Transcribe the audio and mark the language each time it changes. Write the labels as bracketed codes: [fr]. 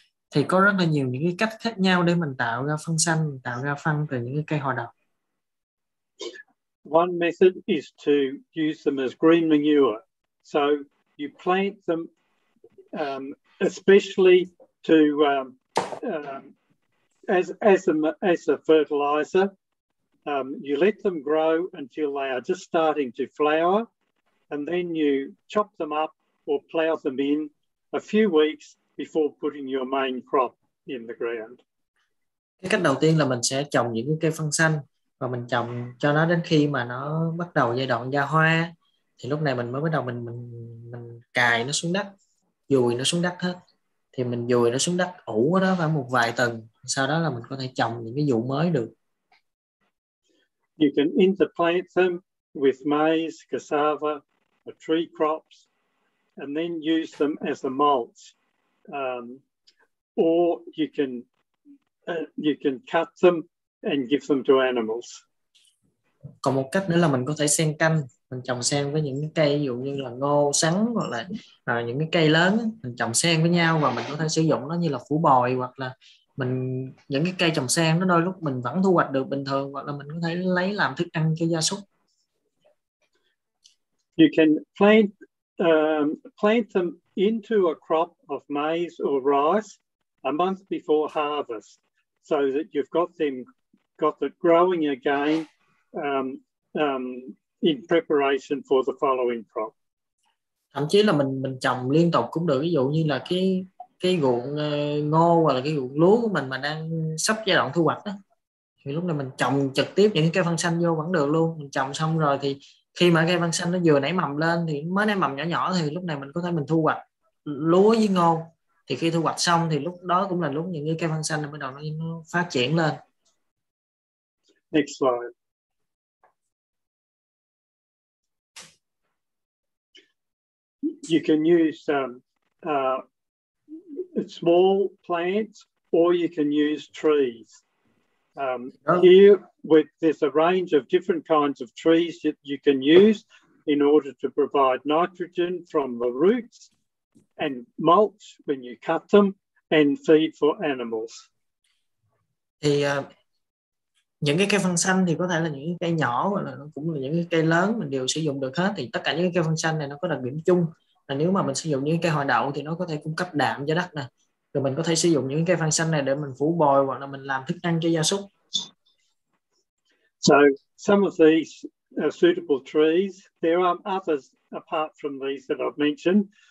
[vi] Thì có rất là nhiều những cái cách khác nhau để mình tạo ra phân xanh, tạo ra phân từ những cái cây họ đậu. [en] One method is to use them as green manure. So you plant them especially to as a fertilizer. You let them grow until they are just starting to flower, and then you chop them up or plow them in a few weeks before putting your main crop in the ground. [vi] Cái cách đầu tiên là mình sẽ trồng những cái cây phân xanh, và mình trồng cho nó đến khi mà nó bắt đầu giai đoạn ra hoa, thì lúc này mình mới bắt đầu mình cài nó xuống đất, dùi nó xuống đất hết. Thì mình dùi nó xuống đất ủ ở đó khoảng một vài tuần, sau đó là mình có thể trồng những cái vụ mới được. [en] You can interplant them with maize, cassava, or tree crops, and then use them as a mulch. Or you can cut them and give them to animals. [vi] Còn một cách nữa là mình có thể xen canh, mình trồng xen với những cây ví dụ như là ngô, sắn hoặc là những cái cây lớn, mình trồng xen với nhau và mình có thể sử dụng nó như là phủ bồi, hoặc là mình những cái cây trồng sen nó đôi lúc mình vẫn thu hoạch được bình thường, hoặc là mình có thể lấy làm thức ăn cho gia súc. [en] You can plant them into a crop of maize or rice a month before harvest, so that you've got it growing again in preparation for the following crop. [vi] Thậm chí là mình trồng liên tục cũng được, ví dụ như là cái ruộng ngô hoặc là cái ruộng lúa của mình mà đang sắp giai đoạn thu hoạch đó, thì lúc này mình trồng trực tiếp những cái phân xanh vô vẫn được luôn. Mình trồng xong rồi thì khi mà cây măng xanh nó vừa nảy mầm lên thì mới nảy mầm nhỏ nhỏ thì lúc này mình có thể mình thu hoạch lúa với ngô. Thì khi thu hoạch xong thì lúc đó cũng là lúc những cây măng xanh bắt đầu nó phát triển lên. [en] Next slide. You can use small plants or you can use trees. Here with there's a range of different kinds of trees that you can use in order to provide nitrogen from the roots and mulch when you cut them and feed for animals. [vi] Thì những cái cây phân xanh thì có thể là những cây nhỏ hoặc là cũng là những cái cây lớn mình đều sử dụng được hết. Thì tất cả những cây phân xanh này nó có đặc điểm chung là nếu mà mình sử dụng những cây hoa đậu thì nó có thể cung cấp đạm cho đất nè. Rồi mình có thể sử dụng những cây phân xanh này để mình phủ bồi hoặc là mình làm thức ăn cho gia súc. [en] So some of these are suitable trees. There are others apart from these that I've mentioned.